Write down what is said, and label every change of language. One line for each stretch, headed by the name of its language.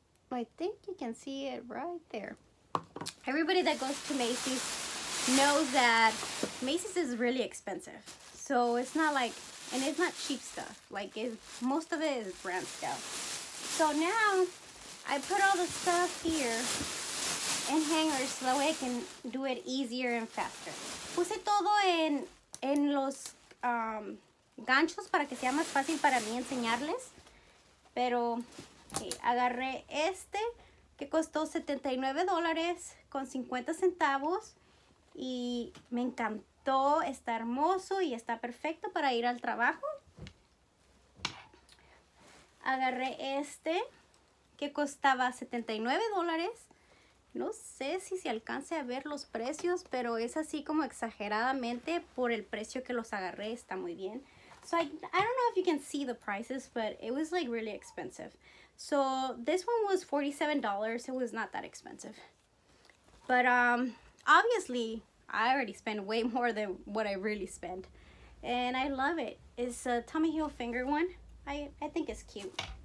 English: I think you can see it right there. Everybody that goes to Macy's knows that Macy's is really expensive. So it's not like, and it's not cheap stuff. Like, most of it is brand stuff. So now I put all the stuff here in hangers so that way I can do it easier and faster.
Spanish: Puse todo en los ganchos para que sea más fácil para mí enseñarles. Pero... Okay, agarré este que costó $79.50 Y me encantó, está hermoso y está perfecto para ir al trabajo. Agarré este que costaba $79. No sé si se alcance a ver los precios, pero es así como exageradamente por el precio que los agarré, está muy bien.
English: So I don't know if you can see the prices, but it was like really expensive. So this one was $47. It was not that expensive. But obviously, I already spent way more than what I really spent. And I love it. It's a Tommy Hilfiger one. I think it's cute.